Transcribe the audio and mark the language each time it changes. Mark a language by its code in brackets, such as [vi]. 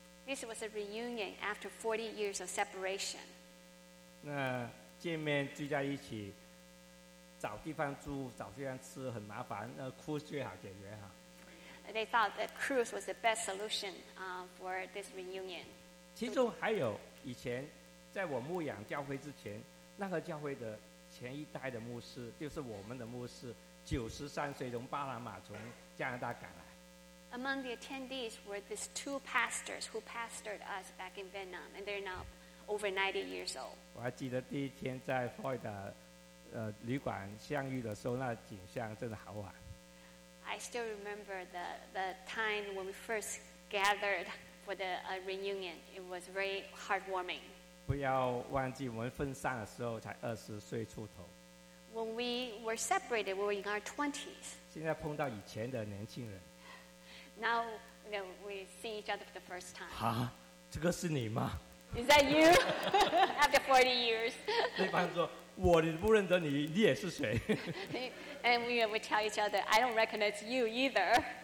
[en] This was a reunion after 40 years of separation. [zh] 那见面聚在一起，找地方住，找地方吃很麻烦。那 cruise 最好解决哈。 [en] They thought that cruise was the best solution for this reunion. [zh] 其中还有以前在我牧养教会之前，那个教会的前一代的牧师，就是我们的牧师。 93岁从巴拿马从加拿大赶来。 [en] Among the attendees were these two pastors who pastored us back in Vietnam, and they're now over 90 years old. [zh] 我还记得第一天在 Florida 旅馆相遇的时候，那景象真的好玩。 [en] I still remember the time when we first gathered for the reunion. It was very heartwarming. [zh] 不要忘记，我们分散的时候才20岁出头。 [en] When we were separated, we were in our 20s. [zh] 现在碰到以前的年轻人。 [en] Now you know, we see each other for the first time. [zh] 啊，这个是你吗？ [en] Is that you? After 40 years. [zh] 对方说，我不认得你，你也是谁？ [en] And we would tell each other, I don't recognize you either.